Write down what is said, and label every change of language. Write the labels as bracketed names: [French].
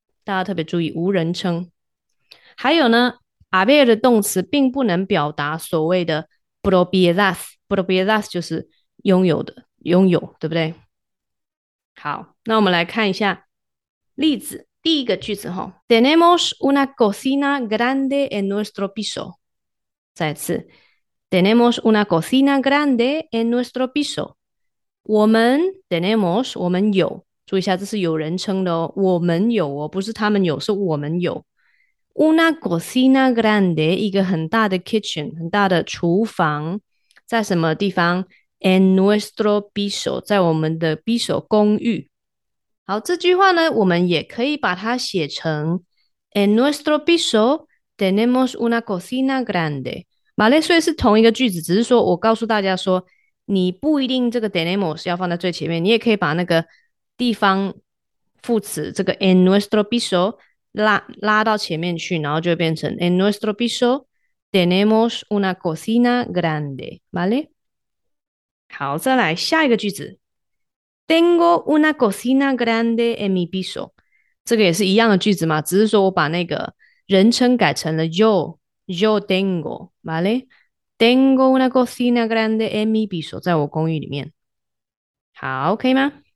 [Chinese] 大家特别注意无人称，还有呢，haber 的动词并不能表达所谓的 propiedad，propiedad 就是拥有的，拥有，对不对？好，那我们来看一下例子，第一个句子哈， [Spanish] tenemos una cocina grande en nuestro piso。 [Chinese] 再次， [Spanish] tenemos una cocina grande en nuestro piso。 [Chinese] 我们有。注意一下，这是有人称的哦。我们有哦，不是他们有，是我们有。 [Spanish] Una cocina grande， [Chinese] 一个很大的 kitchen，很大的厨房，在什么地方？ [Spanish] En nuestro piso， [Chinese] 在我们的 piso 公寓。好，这句话呢，我们也可以把它写成 [Spanish] En nuestro piso tenemos una cocina grande。 [Chinese] 马来所以是同一个句子，只是说我告诉大家说，你不一定这个 tenemos 要放在最前面，你也可以把那个。地方副词这个 [Spanish] en nuestro piso [Chinese] 拉到前面去，然后就变成 [Spanish] en nuestro piso tenemos una cocina grande， [Chinese] vale？好，再来下一个句子， [Spanish] tengo una cocina grande en mi piso， [Chinese] 这个也是一样的句子嘛，只是说我把那个人称改成了 [Spanish] yo tengo， [Chinese] vale？ [Spanish] Tengo una cocina grande en mi piso， [Chinese] 在我公寓里面，好，可以吗？